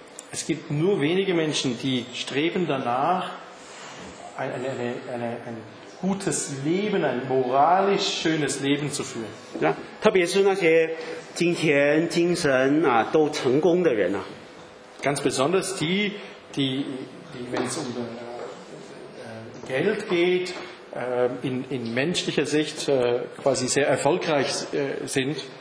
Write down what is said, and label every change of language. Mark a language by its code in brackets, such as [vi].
[de] Es gibt nur wenige Menschen, die streben danach, ein gutes Leben, ein moralisch schönes Leben zu führen. [zh] Ja, 特别是那些金钱、精神都成功的人啊。 [de] Ganz besonders die wenn es um Geld geht, in menschlicher Sicht quasi sehr erfolgreich sind.